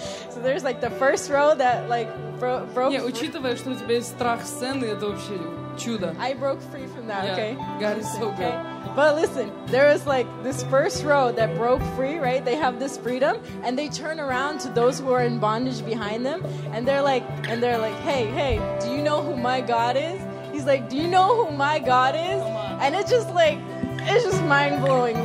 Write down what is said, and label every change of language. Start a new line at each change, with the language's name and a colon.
English: So there's like the first row that like broke.
Russian: Не, учитывая, что у тебя есть страх сцены, это вообще чудо.
English: I broke free from that. Yeah. Okay. God is so good. But listen, there was like this first row that broke free, right? They have this freedom, and they turn around to those who are in bondage behind them, and they're like, hey, hey, do you know who my God is? He's like, do you know who my God is? And it's just like, it's just mind-blowing.